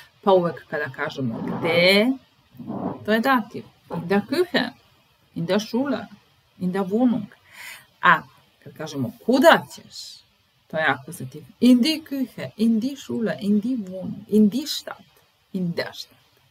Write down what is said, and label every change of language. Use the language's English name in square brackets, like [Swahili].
[Serbian] Pa uvek kada kažemo gde, to je dativ. [German] In der Küche, in der Schule, in der Wohnung. [Serbian] A kad kažemo kuda ćeš, to je akuzativ. [German] In die Küche, in die Schule, in die Wohnung, in die Stadt, in der Stadt.